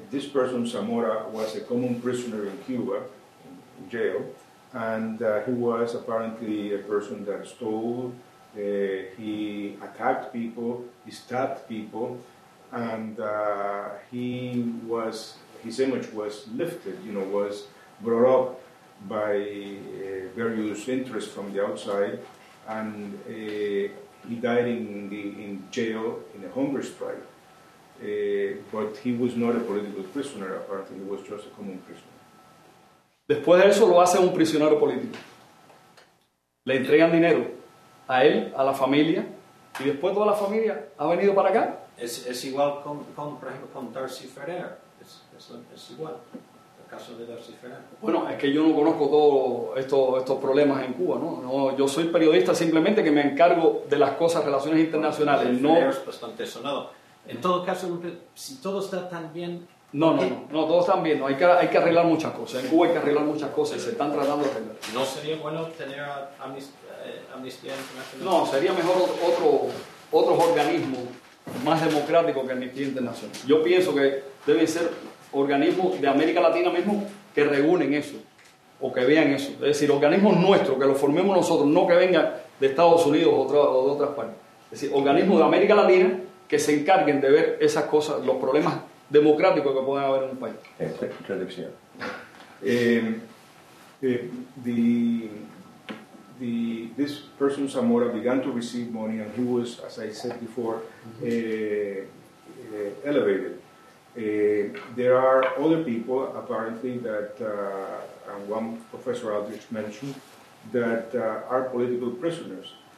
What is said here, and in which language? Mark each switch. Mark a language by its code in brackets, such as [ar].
[en] This person, Zamora, was a common prisoner in Cuba, in jail, and he was apparently a person that stole, he attacked people, he stabbed people, and his image was lifted, you know, was brought up by various interests from the outside, and he died in jail in a hunger strike. But he was not a political prisoner, apparently, he was just a common prisoner. [es] Después de eso lo hace un prisionero político. Le entregan dinero a él, a la familia, y después toda la familia ha venido para acá. Es igual con por ejemplo, con Darcy Ferrer. Es igual, el caso de Darcy Ferrer. Bueno, es que yo no conozco todos estos problemas en Cuba, ¿no? ¿No? Yo soy periodista simplemente que me encargo de las cosas, relaciones internacionales. Sí, no. Es bastante sonado. En todo caso, si todo está tan bien... No, todos están bien. No, hay que arreglar muchas cosas. En Cuba hay que arreglar muchas cosas. Sí. Se están tratando de arreglar. ¿No sería bueno tener Amnistía Internacional? No, sería mejor otros organismos más democráticos que Amnistía Internacional. Yo pienso que deben ser organismos de América Latina mismo que reúnen eso o que vean eso. Es decir, organismos nuestros, que los formemos nosotros, no que vengan de Estados Unidos o de otras partes. Es decir, organismos de América Latina que se encarguen de ver esas cosas, los problemas democrático que pueda haber en un país. Traducción. [en] This person Zamora began to receive money and he was, as I said before, elevated. There are other people apparently that and one professor Aldrich mentioned that are political prisoners.